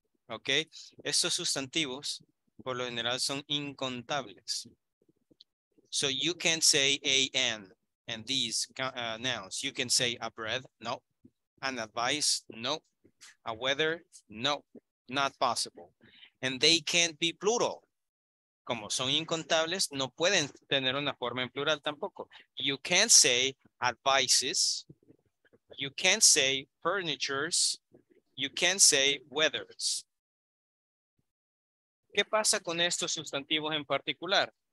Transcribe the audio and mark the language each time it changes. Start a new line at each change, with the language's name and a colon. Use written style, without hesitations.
Spanish: Okay, estos sustantivos por lo general son incontables.
English: So you can't say an and these nouns. You can say a bread, no. An advice, no. A weather, no. Not possible. And they can't be plural.
Spanish: como son incontables, no pueden tener una forma en plural tampoco.
English: You can't say advices. You can't say furnitures. You can't say weathers.
Spanish: ¿Qué pasa con estos sustantivos en particular?